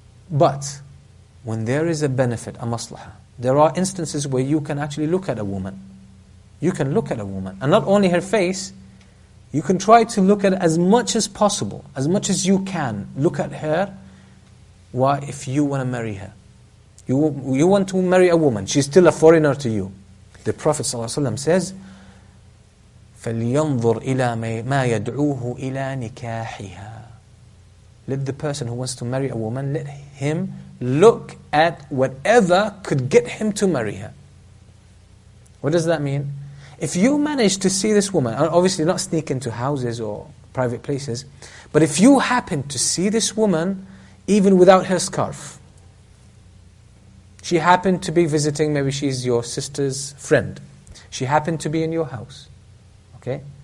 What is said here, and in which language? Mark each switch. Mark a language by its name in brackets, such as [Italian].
[English] But when there is a benefit, a maslaha, there are instances where you can actually look at a woman. You can look at a woman. And not only her face, you can try to look at as much as possible, as much as you can, look at her. Why? If you want to marry her. You want to marry a woman, she's still a foreigner to you. The Prophet ﷺ says, [Arabic] فَلْيَنْظُرْ إِلَى مَا يَدْعُوهُ إِلَى نِكَاحِهَا. [English] Let the person who wants to marry a woman, let him look at whatever could get him to marry her. What does that mean? If you manage to see this woman, obviously not sneak into houses or private places, but if you happen to see this woman, even without her scarf, she happened to be visiting, maybe she's your sister's friend, she happened to be in your house, okay?